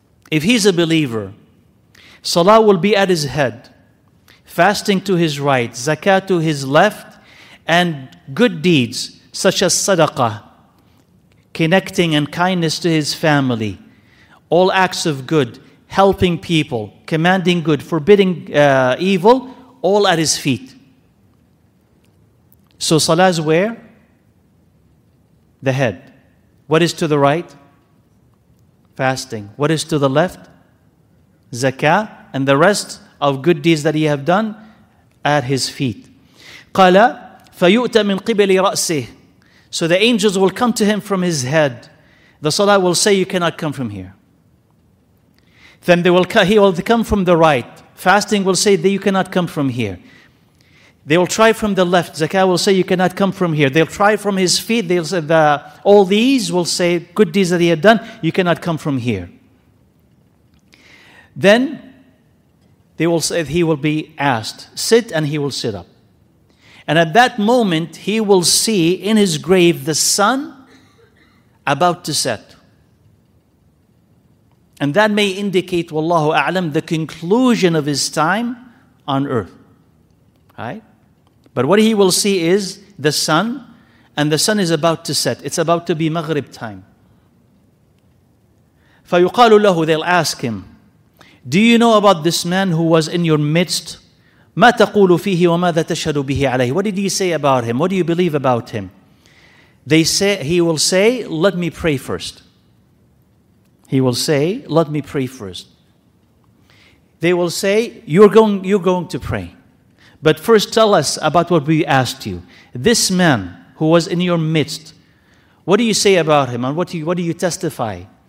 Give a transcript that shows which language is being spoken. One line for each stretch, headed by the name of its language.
English: If he's a believer, salah will be at his head, fasting to his right, zakat to his left, and good deeds such as sadaqah, connecting and kindness to his family, all acts of good, helping people, commanding good, forbidding evil, all at his feet. So salah is where? The head. What is to the right? Fasting. What is to the left? Zakah. And the rest of good deeds that he have done? At his feet.
Arabic: قَالَ فَيُؤْتَ مِنْ قِبَلِ رَأْسِهِ.
English: So the angels will come to him from his head. The salah will say, you cannot come from here. Then they will come, he will come from the right. Fasting will say that you cannot come from here. They will try from the left. Zakah will say, you cannot come from here. They'll try from his feet. They'll say that all these will say, good deeds that he had done, you cannot come from here. Then they will say, he will be asked, sit, and he will sit up. And at that moment, he will see in his grave the sun about to set. And that may indicate, wallahu a'lam, the conclusion of his time on earth. Right? But what he will see is the sun, and the sun is about to set. It's about to be Maghrib time.
Arabic: فَيُقَالُ لَهُ
English: They'll ask him, do you know about this man who was in your midst?
Arabic: مَا تَقُولُ فِيهِ وَمَاذَا تَشْهَدُ بِهِ عَلَيْهِ
English: What did you say about him? What do you believe about him? They say, he will say, let me pray first. He will say, let me pray first. They will say, you're going to pray. But first tell us about what we asked you. This man who was in your midst, what do you say about him? And what do you testify?